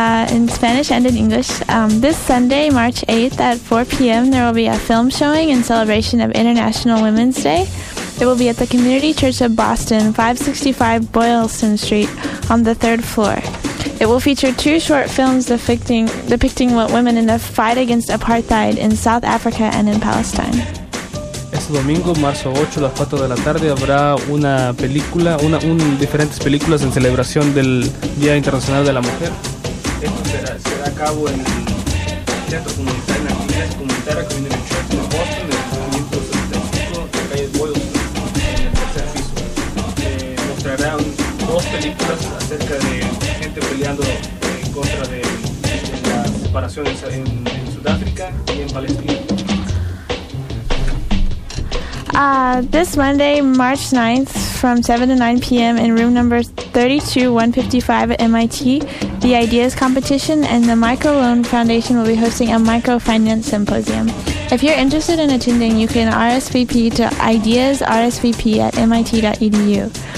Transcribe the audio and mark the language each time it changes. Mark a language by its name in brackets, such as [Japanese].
[English] in Spanish and in English. This Sunday, March 8th at 4 p.m., there will be a film showing in celebration of International Women's Day. It will be at the Community Church of Boston, 565 Boylston Street, on the third floor. It will feature two short films depicting what women in the fight against apartheid in South Africa and in Palestine. [Spanish] Este domingo, marzo 8, a las 4 de la tarde, habrá una película, diferentes películas en celebración del Día Internacional de la Mujer. Esto será a cabo en el Teatro Comunitario, en la Comunidad Comunitaria Community Church en Boston, en el 575, en calle Boylston, en el tercer piso. Mostrará dos películas acerca de gente peleando en contra de la separación en Sudáfrica y en Palestina. [English] This Monday, March 9th, from 7 to 9 p.m. in room number 32155 at MIT, the Ideas Competition and the Microloan Foundation will be hosting a microfinance symposium. If you're interested in attending, you can RSVP to ideasrsvp at mit.edu.